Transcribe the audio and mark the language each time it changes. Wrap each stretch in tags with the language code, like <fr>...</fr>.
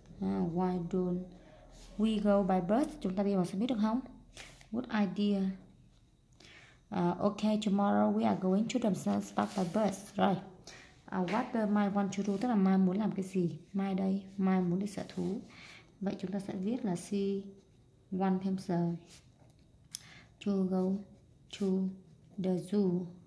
<en>Why don't we go by bus?</en> <vi>Chúng ta đi bằng xe buýt được không?</vi> <en>Good idea. Okay, tomorrow we are going to the start by bus. Rồi. What Mai want to do?</en> <vi>Tức là Mai muốn làm cái gì? Mai đây, Mai muốn đi sở thú. Vậy chúng ta sẽ viết là</vi> <en>she want</en> <vi>thêm giờ.</vi> <en>To go to the zoo.</en>